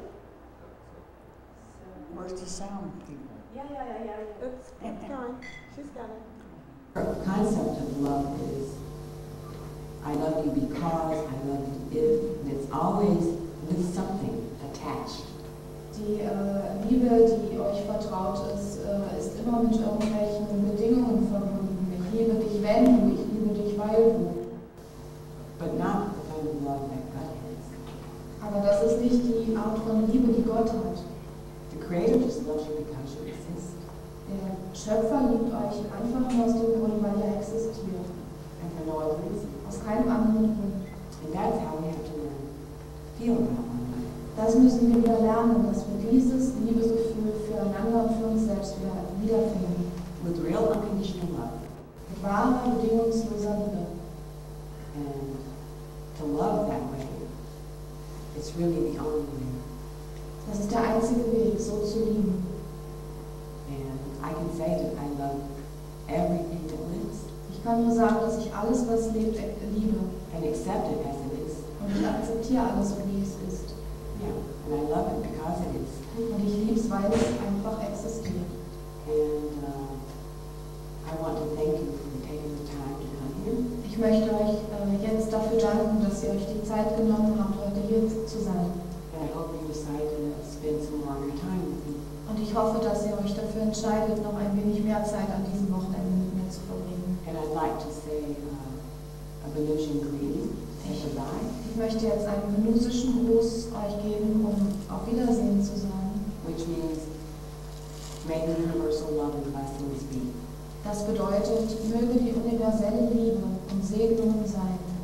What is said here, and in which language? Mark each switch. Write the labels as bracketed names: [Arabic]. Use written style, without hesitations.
[English] So. Where's the sound, people? Yeah. Oops, it's gone. She's got it. The concept of love is, I love you because I love you if, and it's always with something attached. [German] Die Liebe, die euch vertraut ist, ist immer mit irgendwelchen Bedingungen verbunden. Ich liebe dich, wenn du, ich liebe dich, weil du. [English] But not the kind of love that God has. [German] Aber das ist nicht die Art von Liebe, die Gott hat. [English] The Creator just loves you because you exist. [German] Der Schöpfer liebt euch einfach nur aus dem Grund, weil ihr existiert. [English] And for no other reason. [German] Aus keinem anderen Grund. [English] And that's how we have to learn. Feel about one another. [German] Das müssen wir wieder lernen, dass wir dieses Liebesgefühl füreinander und für uns selbst wiederfinden. [English] With real unconditional love. [German] Mit wahrer, bedingungsloser Liebe. [English] And to love that way, it's really the only way. [German] Das ist der einzige Weg, so zu lieben. [English] And I can say that I love everything that lives. [German] Ich kann nur sagen, dass ich alles, was lebt, liebe. [English] And accept it as it is. [German] Und ich akzeptiere alles, wie es ist. [English] Yeah. And I love it because it is. [German] Und ich liebe es, weil es einfach existiert. [English] And I want to thank you for taking the time to come here. [German] Ich möchte euch jetzt dafür danken, dass ihr euch die Zeit genommen habt, heute hier zu sein. [English] And I hope you decide to spend some longer time with me. [German] Und ich hoffe, dass ihr euch dafür entscheidet, noch ein wenig mehr Zeit an diesem Wochenende mit mir zu verbringen. [English] And I'd like to say a Venusian greeting. Say goodbye. [German] Ich möchte jetzt einen venusischen Gruß euch geben, um auf Wiedersehen zu sagen. [English] Which means, may the universal love and blessings be. [German] Das bedeutet, möge die universelle Liebe und Segnungen sein.